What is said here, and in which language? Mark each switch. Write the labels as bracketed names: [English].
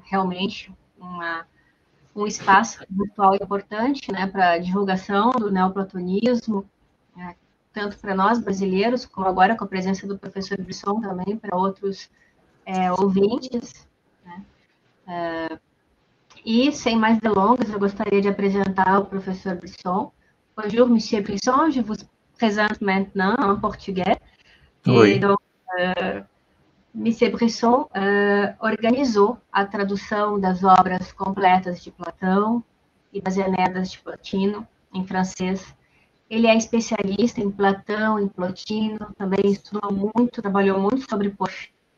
[Portuguese] Realmente um espaço virtual importante, né, para divulgação do neoplatonismo, né? Tanto para nós brasileiros, como agora com a presença do professor Brisson também, para outros ouvintes, né? E sem mais delongas, eu gostaria de apresentar o professor Brisson. [French] Bonjour, monsieur Brisson, je vous présente maintenant en portugais. Et [Portuguese] Oi. [French] donc, [Portuguese] monsieur Brisson organizou a tradução das obras completas de Platão e das Enéadas de Plotino em francês. Ele é especialista em Platão, em Plotino, também estudou muito, trabalhou muito sobre Porfírio.